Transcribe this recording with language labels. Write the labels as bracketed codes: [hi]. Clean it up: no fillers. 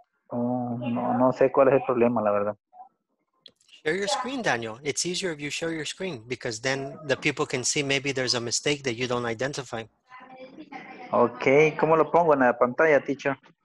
[es] No sé cuál es el problema, la verdad. [en] Share your screen, Daniel. It's easier if you share your screen because then the people can see maybe there's a mistake that you don't identify. [es] Okay, ¿cómo lo pongo en la pantalla, teacher?